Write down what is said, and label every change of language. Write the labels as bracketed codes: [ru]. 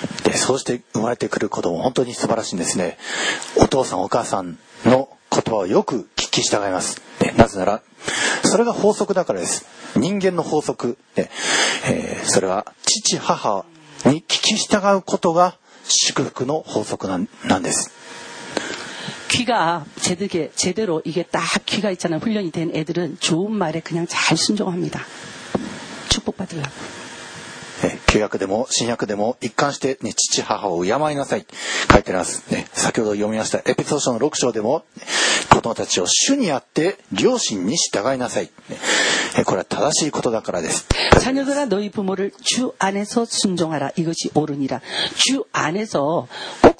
[ja] そうして生まれてくる子供本当に素晴らしいんですねお父さんお母さんの言葉をよく聞き従います、ね、なぜならそれが法則だからです人間の法則、ねそれは父母に聞き従うことが祝福の法則なんです [ko] 귀가제대로, 이게딱귀가있잖아요훈련이된애들은좋은말에그냥잘순종합니다축복받으려고 [ja] 旧約でも新約でも一貫して、ね、父母を敬いなさい書いてあります、ね、先ほど読みましたエピソード書の6章でも、ね、子供たちを主にあって両親に従いなさい、ね、これは正しいことだからです [ko] 자녀들아너희부모를주안에서순종하라이것이옳으니라주안에서꼭